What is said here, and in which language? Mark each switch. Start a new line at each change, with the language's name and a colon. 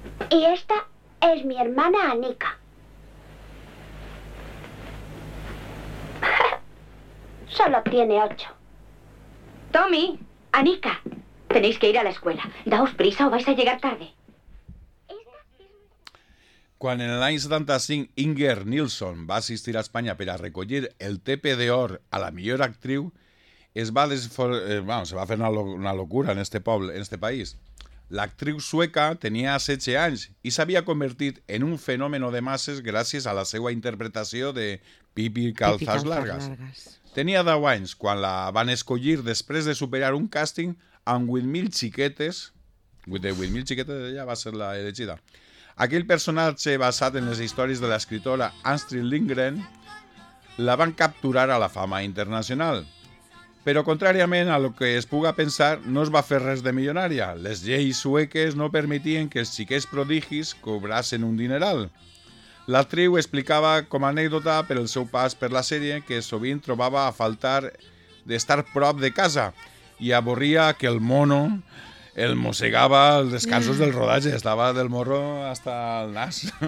Spanish: Y esta es mi hermana Anika. Solo tiene 8. Tommy, Anika, tenéis que ir a la escuela. Daos prisa o vais a llegar tarde.
Catalan: Quan en l'any 75 Inger Nilsson va assistir a Espanya per a recollir el Tepe d'Or a la millor actriu, se va fer una locura en este poble, en este país. L'actriu sueca tenia 16 anys i s'havia convertit en un fenomen de masses gràcies a la seva interpretació de Pipi calzas largas. Tenia 10 anys quan la van escollir després de superar un càsting amb 8.000 xiquetes. De 8.000 xiquetes ella va ser la elegida. Aquell personatge basat en les històries de l'escriptora Astrid Lindgren la van capturar a la fama internacional. Però, contràriament a lo que es puga pensar, no es va fer res de milionària. Les lleis sueques no permetien que els xiquets prodigis cobrasen un dineral. L'actriu explicava com a anècdota per el seu pas per la sèrie que sovint trobava a faltar d'estar prop de casa i avorria que el mono el mossegava als descansos del rodatge. Estava del morro hasta el nas.